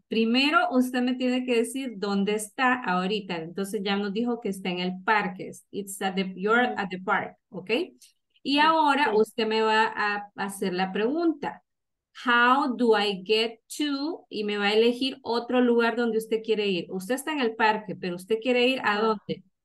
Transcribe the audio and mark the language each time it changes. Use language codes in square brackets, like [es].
[es] Primero usted me tiene que decir dónde está ahorita. Entonces ya nos dijo que está en el parque. [en] It's at the, you're at the park, ¿ok? [es] Y ahora usted me va a hacer la pregunta. [en] How do I get to? [es] Y me va a elegir otro lugar donde usted quiere ir. Usted está en el parque, pero usted quiere ir a dónde?